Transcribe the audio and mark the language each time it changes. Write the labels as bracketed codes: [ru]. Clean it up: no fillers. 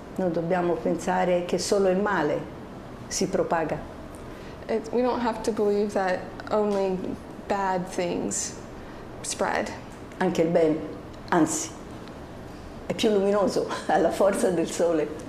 [it] Non dobbiamo pensare che solo il male si propaga. [en] We don't have to believe that only bad things spread. [it] Anche il bene, anzi, è più luminoso, ha la forza del sole.